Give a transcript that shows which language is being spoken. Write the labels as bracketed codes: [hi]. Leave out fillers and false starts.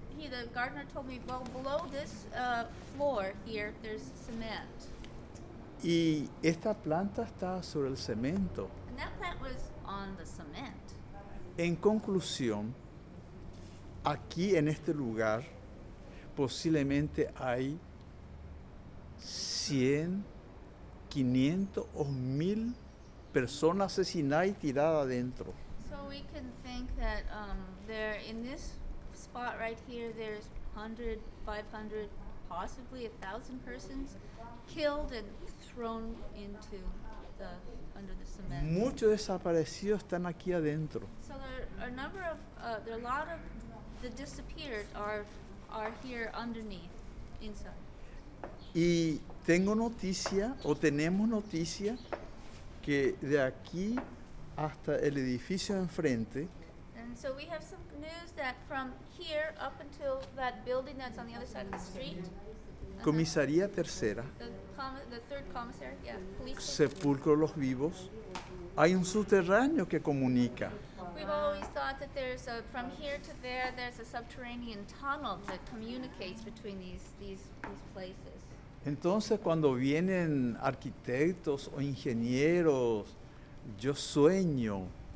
[en] The gardener told me, well, below this floor here, there's cement. [es] Y esta planta está sobre el cemento. [en] And that plant was on the cement. [es] En conclusión, aquí en este lugar, posiblemente hay 100, 500 o 1,000 personas asesinadas y tiradas adentro. [en] So we can think that there in this spot right here, there's 100, 500, possibly 1,000 persons killed and thrown into the under the cement. [es] Muchos desaparecidos están aquí adentro. [en] So there are a lot of the disappeared are here underneath, inside. [es] Y tengo noticia, o tenemos noticia, que de aquí hasta el edificio enfrente. [en] And so we have some news that from here up until that building that's on the other side of the street. [es] Comisaría Tercera. [en] The third commissary, yeah. Police. [es] Sepulcro Los Vivos. Hay un subterráneo que comunica. [en] We've always thought that there's a, from here to there, there's a subterranean tunnel that communicates between these places. [es] Entonces cuando vienen arquitectos o ingenieros, yo sueño.